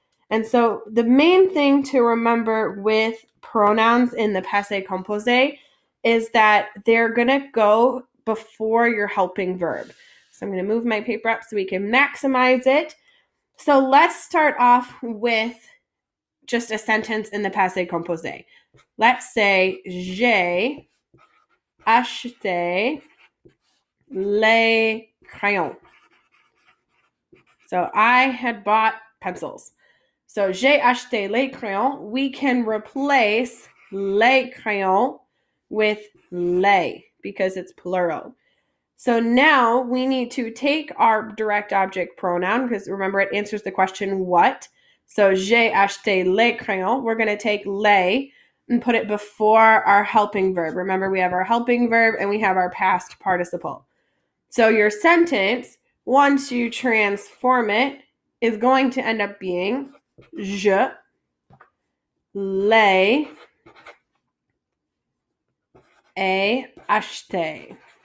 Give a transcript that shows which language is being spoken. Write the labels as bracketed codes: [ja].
[en] And so the main thing to remember with pronouns in the passé composé is that they're going to go before your helping verb. So I'm going to move my paper up so we can maximize it. So let's start off with just a sentence in the passé composé. Let's say, [fr] j'ai acheté les crayons. [en] So I had bought pencils. So [fr] j'ai acheté les crayons. [en] We can replace [fr] les crayons [en] with les because it's plural. So now we need to take our direct object pronoun because remember it answers the question what. [fr] So, j'ai acheté les crayons. [en] We're going to take les and put it before our helping verb. Remember, we have our helping verb and we have our past participle. So, your sentence, once you transform it, is going to end up being [fr] je les ai acheté.